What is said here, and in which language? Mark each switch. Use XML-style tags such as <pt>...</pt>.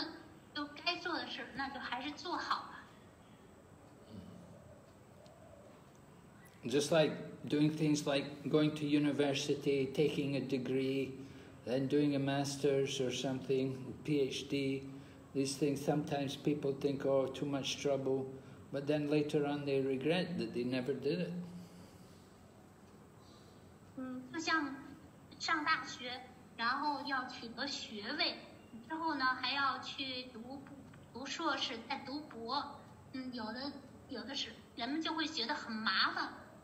<zh>就是不负责任，不要放弃，不要嫌麻烦，就是你把这些放弃掉。那虽然浪费时间，现在浪费时间，但是你以后呢？后来你可能还得必须要面对它，必须要去这么做。那么就该做的事，那就还是做好吧。</zh> <en>Just like doing things like going to university, taking a degree, then doing a master's or something, PhD, these things, sometimes people think, oh, too much trouble, but then later on they regret that they never did it.</en> <zh>就像上大学，然后要取得学位，之后呢还要去读硕士，再读博，有的是人们就会觉得很麻烦。</zh>